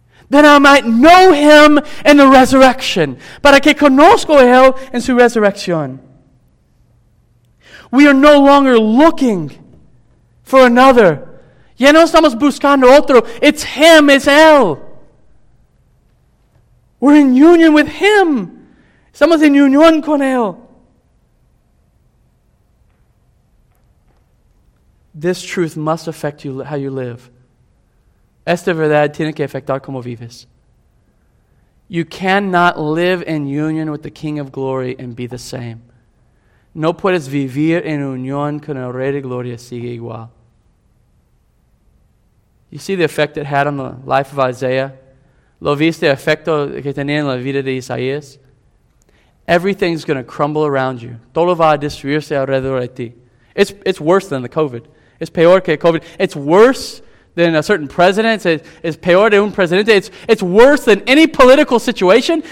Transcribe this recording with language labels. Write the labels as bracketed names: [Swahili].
[English] That I might know Him in the resurrection. [Spanish] Para que conozco a Él en su resurrección. [English] We are no longer looking for another. [Spanish] Ya no estamos buscando otro. [English] It's Him, it's [Spanish] Él. [English] We're in union with Him. [Spanish] Estamos en unión con Él. [English] This truth must affect you how you live. [Spanish] Esta verdad tiene que afectar cómo vives. [English] You cannot live in union with the King of Glory and be the same. [Spanish] No puedes vivir en unión con el Rey de Gloria y sigue igual. [English] You see the effect it had on the life of Isaiah? [Spanish] ¿Lo viste el efecto que tenía en la vida de Isaías? [English] Everything's going to crumble around you. [Spanish] Todo va a destruirse alrededor de ti. [English] It's worse than the COVID. It's [Spanish] peor que [English] COVID. It's worse than a certain president. It's [Spanish] peor de un presidente. [English] It's worse than any political situation.